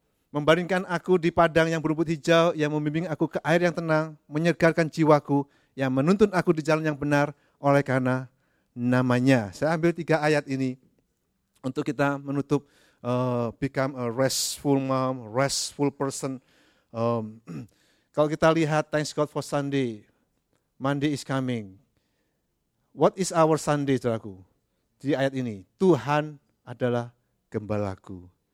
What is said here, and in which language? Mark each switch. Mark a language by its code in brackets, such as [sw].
[id] Membaringkan aku di padang yang berumput hijau, yang membimbing aku ke air yang tenang, menyegarkan jiwaku, yang menuntun aku di jalan yang benar oleh karena namanya. Saya ambil 3 ayat ini untuk kita menutup [en] become a restful mom, restful person. [id] Kalau kita lihat, [en] thanks God for Sunday, Monday is coming. What is our Sunday, [id] saudaraku? Di ayat ini, Tuhan adalah gembalaku.